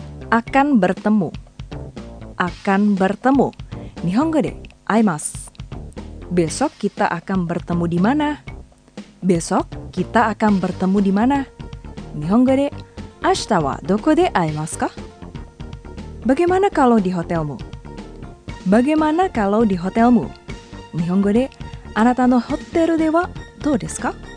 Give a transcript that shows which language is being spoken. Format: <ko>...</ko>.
<id>Akan bertemu。Akan bertemu。</id> <ja>日本語で、会います。</ja> <id>Besok kita akan bertemu di mana? Besok kita akan bertemu di mana?</id> <ja>日本語で、明日はどこで会いますか?</ja> <id>Bagaimana kalau di hotelmu? Bagaimana kalau di hotelmu?</id> <ja>日本語で、あなたのホテルではどうですか?</ja>